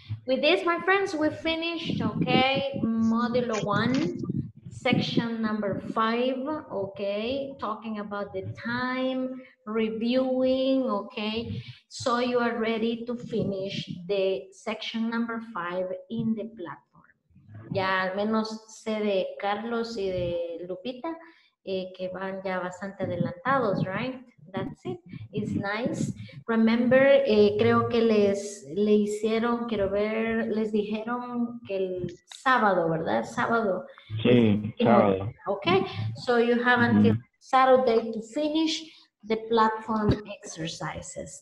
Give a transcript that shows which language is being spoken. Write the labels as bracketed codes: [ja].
[en] With this, my friends, we finished, okay, module one, section number five, okay, talking about the time, reviewing, okay, so you are ready to finish the section number five in the platform. [es] Ya al menos sé de Carlos y de Lupita, que van ya bastante adelantados, [en] right? That's it. It's nice. [es] Remember, creo que le hicieron, quiero ver, les dijeron que el sábado, ¿verdad? Sábado. Sí, sábado. [en] Okay. So you have until Saturday to finish the platform exercises.